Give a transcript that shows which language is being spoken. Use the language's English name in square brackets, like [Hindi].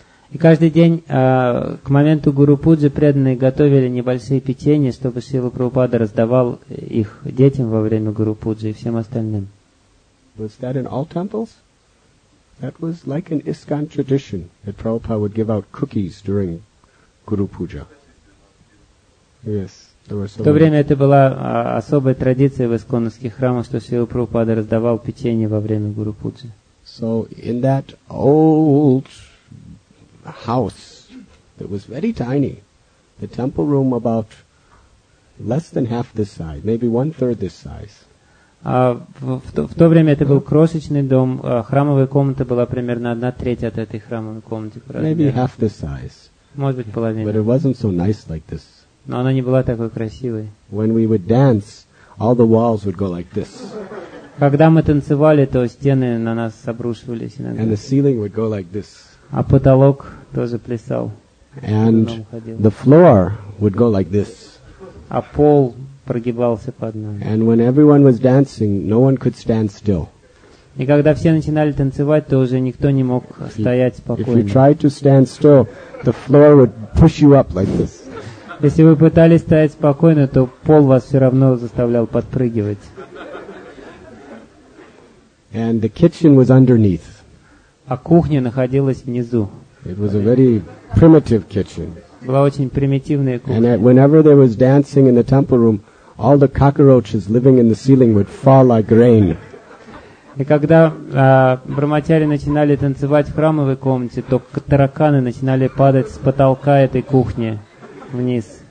[Russian] И каждый день к моменту Гуру Пуджи преданные готовили небольшие печенья, чтобы Шрила Прабхупада раздавал их детям во время Гуру Пуджи и всем остальным. [English] Was that in all temples? That was like an ISKCON tradition that Prabhupada would give out cookies during Guru Puja. Yes, there were [Russian] В то время это была особая традиция в исконных храмах, что Шрила Прабхупада раздавал печенье во время Гуру Пуджи. [English] So in that old a house that was very tiny, the temple room about less than half this size, maybe one third this size. [Russian] В то время это был крошечный дом, храмовая комната была примерно одна треть от этой храмовой комнаты. [English] Maybe half this size. [Russian] Может быть половина. [English] But it wasn't so nice like this. [Russian] Но она не была такой красивой. [English] When we would dance, all the walls would go like this. [Russian] Когда мы танцевали, то стены на нас обрушивались иногда. [English] And the ceiling would go like this. [Russian] А потолок тоже плясал. [English] And the floor would go like this. [Russian] А пол прогибался под нами. [English] And when everyone was dancing, no one could stand still. [Russian] И когда все начинали танцевать, то уже никто не мог стоять спокойно. [English] If you tried to stand still, the floor would push you up like this. [Russian] Если вы пытались стоять спокойно, то пол вас все равно заставлял подпрыгивать. [English] And the kitchen was underneath. [Russian] А кухня находилась внизу. [English] It was a very primitive kitchen. [Russian] Была очень примитивная кухня. [English] And whenever there was dancing in the temple room, all the cockroaches living in the ceiling would fall like rain. [Russian] И когда брахмачари начинали танцевать в храмовой комнате, то тараканы начинали падать с потолка этой кухни вниз.